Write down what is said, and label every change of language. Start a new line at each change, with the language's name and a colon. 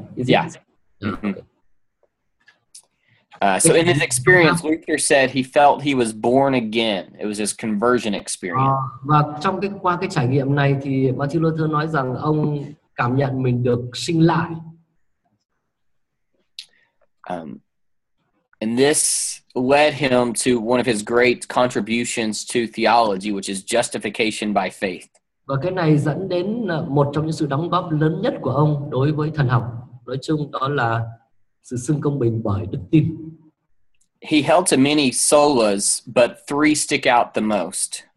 English: Is yeah. It? Mm-hmm. So in his experience, Luther said he felt he was born again. It was his conversion experience.
Vietnamese: Và trong cái qua cái trải nghiệm này thì Martin Luther nói rằng ông cảm nhận mình được sinh lại.
English: And this led him to one of his great contributions to theology, which is justification by faith.
Vietnamese: Và cái này dẫn đến một trong những sự đóng góp lớn nhất của ông đối với thần học nói chung, đó là sự xưng công bình bởi đức tin.
English: He held to many solas, but three stick out the most.